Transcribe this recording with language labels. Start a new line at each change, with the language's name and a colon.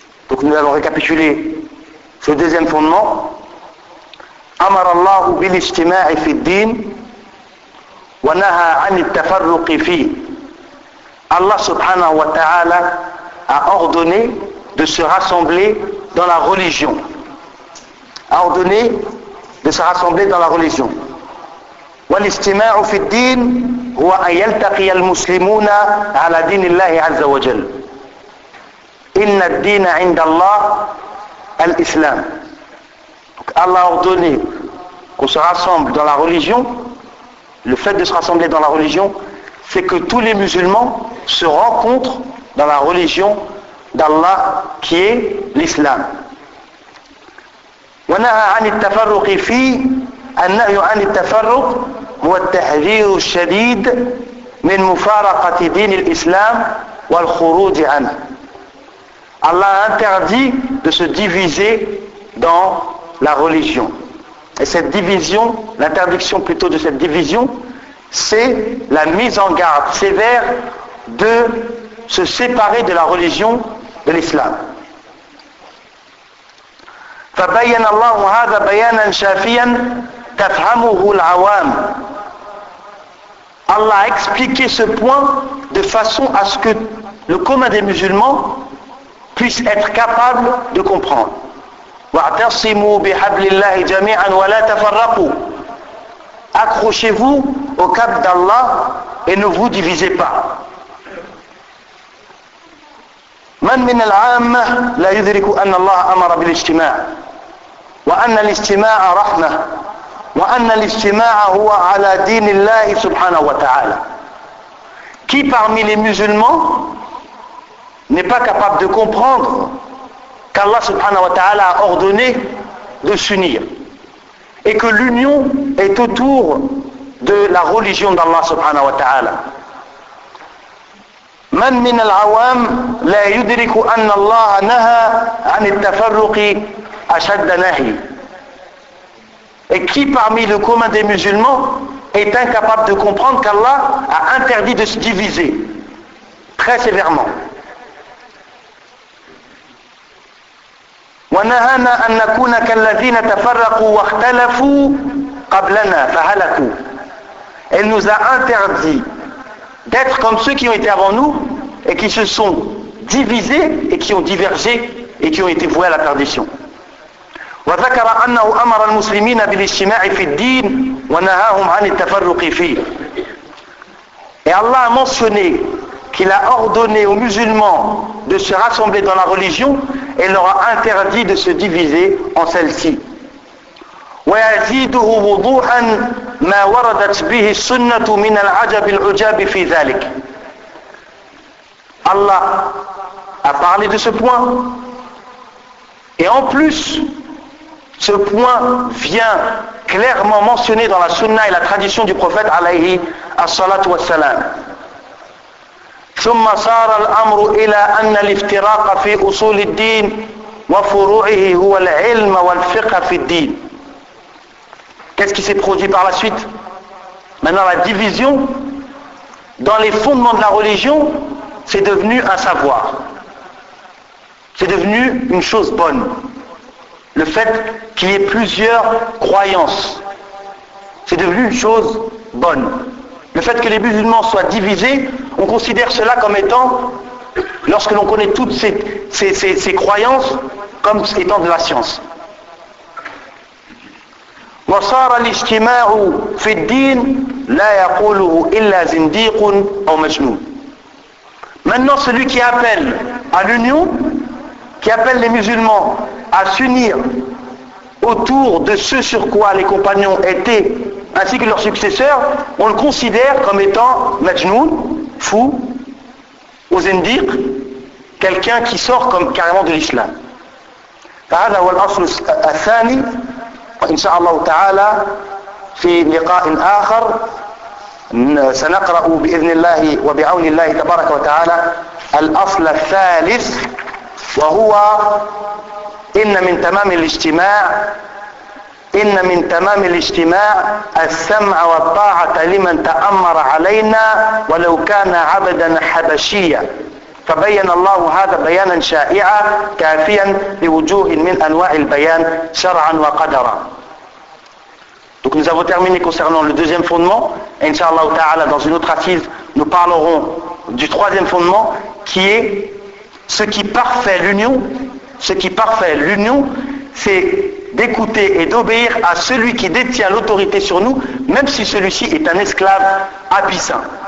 French: Donc nous allons récapituler ce deuxième fondement.
Arabic: أمر الله بالاجتماع في الدين ونهى عن التفرق فيه.
French: Allah
Arabic: subhanahu wa ta'ala
French: a ordonné de se rassembler dans la religion. A ordonné de se rassembler dans la religion.
Arabic: وَالِاجْتِمَاعُ فِي الدِّينِ هُوَ أَنْ يَلْتَقِيَ الْمُسْلِمُونَ عَلَى دِينِ اللَّهِ عَزَّ وَجَلْ إِنَّ الدِّينَ عِنْدَ اللَّهِ الْإِسْلَامِ.
French: Allah a ordonné qu'on se rassemble dans la religion. Le fait de se rassembler dans la religion, c'est que tous les musulmans se rencontrent dans la religion d'Allah, qui est l'islam.
Arabic: ونهى عن التفرق فيه النهي عن التفرق هو التحذير الشديد من مفارقة دين الإسلام والخروج عنه.
French: Allah a interdit de se diviser dans la religion. Et cette division, l'interdiction plutôt de cette division, c'est la mise en garde sévère de se séparer de la religion de l'islam.
Arabic: فبين الله هذا بيانا شافيا تفهمه العوام.
French: Allah a expliqué ce point de façon à ce que le commun des musulmans puisse être capable de comprendre.
Arabic: واعتصموا بحبل الله جميعا ولا تفرقوا.
French: Accrochez-vous au câble d'Allah et ne vous divisez pas.
Arabic: من من العامة لا يدرك أن الله أمر بالاجتماع وأن الاجتماع رحمة وأن الاجتماع هو على دين الله سبحانه وتعالى.
French: Qui parmi les musulmans n'est pas capable de comprendre qu'Allah
Arabic: subhanahu wa ta'ala
French: a ordonné de s'unir et que l'union est autour de la religion d'Allah subhanahu wa ta'ala.
Arabic: من من العوام لا يدرك أن الله نهى عن التفرق أشد نهي.
French: Et qui parmi le commun des musulmans est incapable de comprendre qu'Allah a interdit de se diviser très sévèrement.
Arabic: ونهانا أن نكون كالذين تفرقوا واختلفوا قبلنا فهلكوا.
French: Il nous a interdit d'être comme ceux qui ont été avant nous et qui se sont divisés et qui ont divergé et qui ont été voués à la perdition.
Arabic: وذكر أنه أمر المسلمين بالاجتماع في الدين ونهاهم عن التفرق فيه.
French: Et Allah a mentionné qu'il a ordonné aux musulmans de se rassembler dans la religion et leur a interdit de se diviser en celle-ci.
Arabic: ويزيده وضوحا ما وردت به السنة من العجب العجاب في ذلك.
French: Allah a parlé de ce point et en plus ce point vient clairement mentionné dans la sunna et la tradition du prophète
Arabic: alayhi as-salatu wassalam. ثم صار الأمر إلى أن الافتراق في أصول الدين وفروعه هو العلم والفقه في الدين.
French: Qu'est-ce qui s'est produit par la suite? Maintenant la division dans les fondements de la religion, c'est devenu un savoir. C'est devenu une chose bonne. Le fait qu'il y ait plusieurs croyances, c'est devenu une chose bonne. Le fait que les musulmans soient divisés, on considère cela comme étant, lorsque l'on connaît toutes ces croyances, comme étant de la science.
Arabic: وصار الاجتماع في الدين لا يقوله إلا زنديق أو مجنون.
French: Maintenant celui qui appelle à l'union, qui appelle les musulmans à s'unir autour de ce sur quoi les compagnons étaient, ainsi que leurs successeurs, on le considère comme étant majnoun, fou, ou zindiq, quelqu'un qui sort comme carrément de l'islam.
Arabic: فهذا هو الأصل الثاني وإن شاء الله تعالى في لقاء آخر سنقرأ بإذن الله وبعون الله تبارك وتعالى الأصل الثالث وهو إن من تمام الاجتماع إن من تمام الاجتماع السمع والطاعة لمن تأمر علينا ولو كان عبدا حبشيا فبين الله هذا بيانا شائعا كافيا لوجوه من أنواع البيان شرعا وقدرا.
French: Donc nous avons terminé concernant le deuxième fondement. Inch'Allah ta'ala, dans une autre assise, nous parlerons du troisième fondement qui est ce qui parfait l'union. Ce qui parfait l'union, c'est d'écouter et d'obéir à celui qui détient l'autorité sur nous, même si celui-ci est un esclave abyssin.